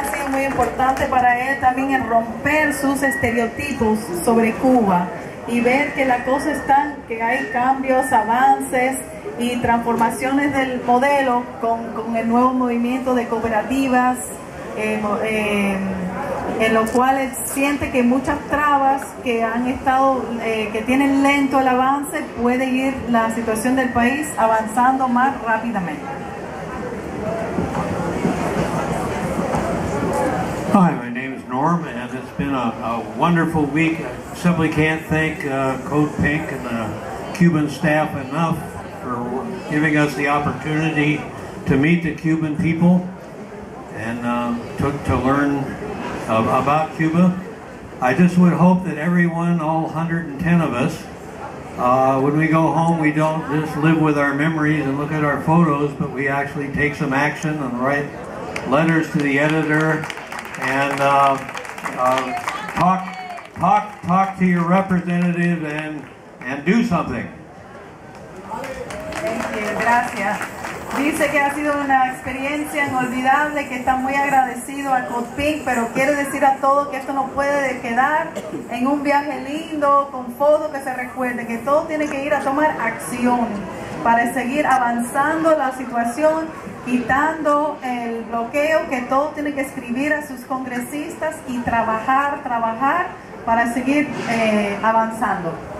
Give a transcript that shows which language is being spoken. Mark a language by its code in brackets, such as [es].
[es] Muy importante para él también el romper sus estereotipos sobre Cuba y ver que la cosa está, que hay cambios, avances y transformaciones del modelo con el nuevo movimiento de cooperativas, en lo cual él siente que muchas trabas que han estado, que tienen lento el avance, puede ir la situación del país avanzando más rápidamente. [en] Hi, my name is Norm, and it's been a wonderful week. I simply can't thank Code Pink and the Cuban staff enough for giving us the opportunity to meet the Cuban people and to learn about Cuba. I just would hope that everyone, all 110 of us, when we go home, we don't just live with our memories and look at our photos, but we actually take some action and write letters to the editor and talk to your representative and do something. Thank you, gracias. [es] Dice que ha sido una experiencia inolvidable, que está muy agradecido al COPIC, pero quiere decir a todos que esto no puede quedar en un viaje lindo, con fotos que se recuerden, que todo tiene que ir a tomar acción para seguir avanzando la situación, quitando el bloqueo, que todo tiene que escribir a sus congresistas y trabajar para seguir avanzando.